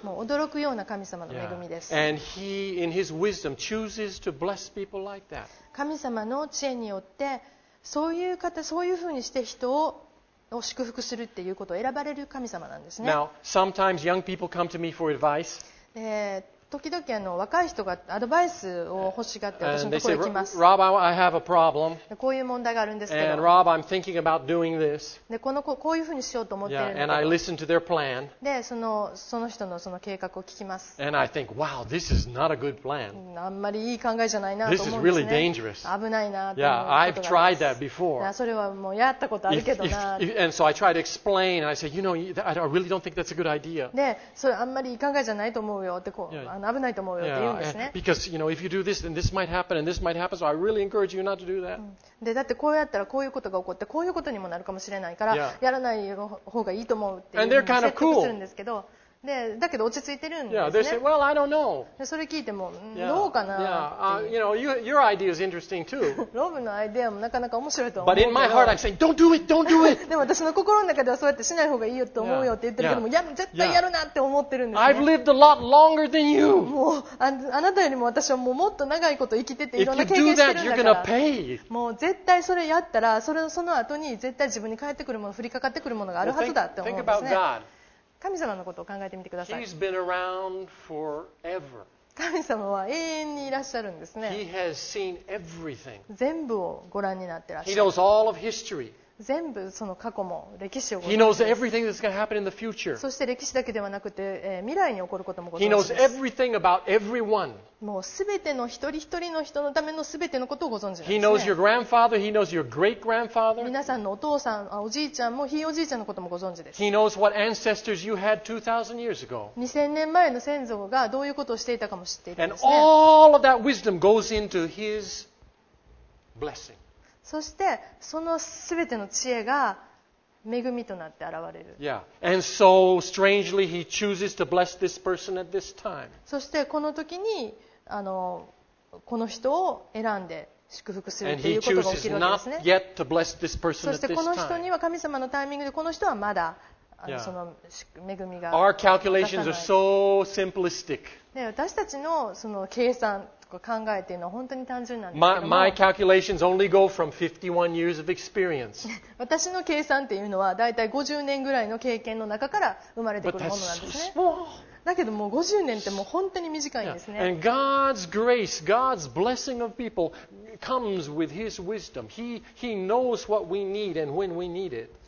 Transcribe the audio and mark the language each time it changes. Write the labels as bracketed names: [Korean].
[Japanese] もう驚くような神様の恵みです。 [English] Yeah. And He, in His wisdom, chooses to bless people like that. [Japanese] 神様の知恵によってそういう方、そういうふうにして人を祝福するっていうことを選ばれる神様なんですね。 [English] Now, sometimes young people come to me for advice. [Japanese] 時々若い人がアドバイスを欲しがって私のところに来ます。 [English] Rob, I have a problem. [Japanese] こういう問題があるんですけど。 [English] And Rob, I'm thinking about doing this. [Japanese] で、こういうふうにしようと思っているんだけど。 [English] Yeah, and I listen to their plan. [Japanese] で、その人のその計画を聞きます。 [English] And I think, wow, this is not a good plan. [Japanese] あんまりいい考えじゃないなと思うんですね。 [English] This is really dangerous. [Japanese] 危ないなと思うことがあります。 [English] Yeah, I've tried that before. [Japanese] それはもうやったことあるけどな。 [English] And so I try to explain. And I say, you know, I really don't think that's a good idea. [Japanese] で、それあんまりいい考えじゃないと思うよってこう。 [English] Yeah. [Japanese] の危ないと思うよって言うんですね。 [English] Yeah, because you know, if you do this, then this might happen, and this might happen. So I really encourage you not to do that. [Japanese] で、だってこうやったらこういうことが起こって、こういうことにもなるかもしれないから、やらない方がいいと思うっていうふうに説得するんですけど、で、だけど落ち着いてるんですね。 [English] Yeah, they say, well, I don't know. [Japanese] で、それ聞いても、どうかなって。 [English] You know, your idea is interesting too. [Japanese] ロブのアイデアもなかなか面白いと思う。 [English] But in my heart, I'm saying, don't do it, don't do it. [Japanese] でも私の心の中ではそうやってしない方がいいよと思うよって言ってるけども、絶対やるなって思ってるんですね。 [English] I've lived a lot longer than you. [Japanese] もう、あなたよりも私はもうもっと長いこと生きてて、いろんな経験してるんだから。 [English] If you do that, you're gonna pay. [Japanese] もう絶対それやったら、その後に絶対自分に返ってくるもの、降りかかってくるものがあるはずだって思うんですね。神様のことを考えてみてください。 [English] He's been around forever. [Japanese] 神様は永遠にいらっしゃるんですね。 [English] He has seen everything. [Japanese] 全部をご覧になってらっしゃる。 [English] He knows all of history. [Japanese] 全部その過去も歴史をご覧。 [English] He knows everything that's going to happen in the future. [Japanese] そして歴史だけではなくて、未来に起こることもご存知です。 [English] He knows everything about everyone. [Japanese] もうすべての一人一人の人のためのすべてのことをご存知なんですね。 [English] He knows your grandfather. He knows your great grandfather. [Japanese] 皆さんのお父さん、おじいちゃんも、ひいおじいちゃんのこともご存知です。 [English] He knows what ancestors you had 2,000 years ago. [Japanese] 2000年前の先祖がどういうことをしていたかも知っているんですね。 [English] And all of that wisdom goes into His blessing. [Japanese] そしてそのすべての知恵が恵みとなって現れる。 [English] Yeah. And so, strangely, he chooses to bless this person at this time. [Japanese] そしてこの時にこの人を選んで祝福するということが起きるんですね。 [English] Not yet to bless this person at this time. [Japanese] そしてこの人には神様のタイミングでこの人はまだその恵みが出さない。 [English] Our calculations are so simplistic. [Japanese] 私たちのその計算考えているのは本当に単純なんですけども [English] my calculations only go from 51 years of experience. [Japanese] 私の計算というのはだいたい50年ぐらいの経験の中から生まれてくるものなんですね。 [English] But that's so small. [Japanese] だけどもう50年ってもう本当に短いんですね。 [English] Yeah. And God's grace, God's blessing of people comes with His wisdom. He knows what we need and when we need it.